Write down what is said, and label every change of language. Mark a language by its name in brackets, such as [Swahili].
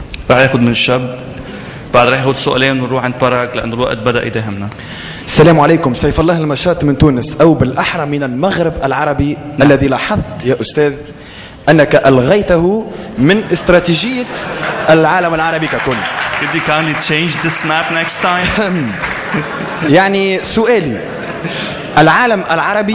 [Arabic] رح ياخذ من الشاب بعد رح ياخذ سؤالين ونروح عند براك لانه الوقت بدا يداهمنا. السلام عليكم. سيف الله المشات من تونس او بالاحرى من المغرب العربي. نعم. الذي لاحظت يا استاذ انك الغيته من استراتيجيه العالم العربي ككل. [English] Could you kindly change this map next time? [Arabic] يعني سؤالي العالم العربي.